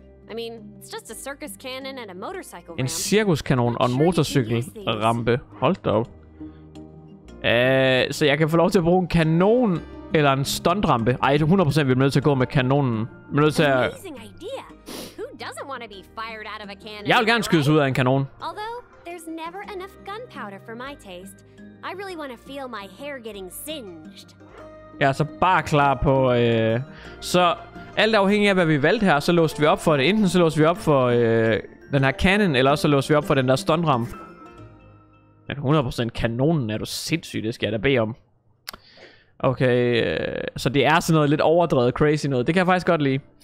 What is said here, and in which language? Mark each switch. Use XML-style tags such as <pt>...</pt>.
<en>I mean, it's just a circus cannon and a motorcycle ramp.</en> <da>En cirkuskanon og en motorcykelrampe. Hold da op. Så jeg kan få lov til at bruge en kanon eller en stuntrampe. Ej, 100% vil jeg nødt til at gå med kanonen. Men nødt til at...</da> <en>Amazing idea. Who doesn't want to be fired out of a cannon?</en> <da>Jeg vil gerne skydes ud af en kanon.</da> <en>Although, there's never enough gunpowder for my taste. I really want to feel my hair getting singed.</en> <da>Ja, så bare klar på, så alt afhængig af, hvad vi valgte her, så låste vi op for det. Enten så låste vi op for den her cannon, eller så låste vi op for den der stuntramp. Men 100% kanonen er du sindssyg, det skal jeg da bede om. Okay, så det er sådan noget lidt overdrevet crazy noget. Det kan jeg faktisk godt lide.</da>